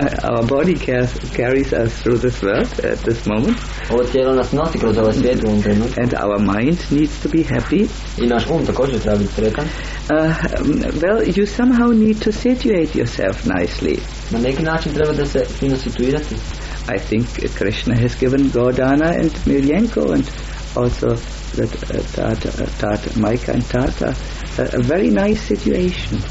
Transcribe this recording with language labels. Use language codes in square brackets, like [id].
[en] Our body carries us through this world at this moment. [hr] Ovo tijelo nas nosi kroz ovaj svijet u ovom trenutku. [en] And our mind needs to be happy. [hr] I naš um također treba biti sretan. [en] Well, you somehow need to situate yourself nicely. [hr] Na neki način treba da se fino situirati. [en] I think Krishna has given Gaudana and Milenko and also that Tata Maika and Tata a very nice situation.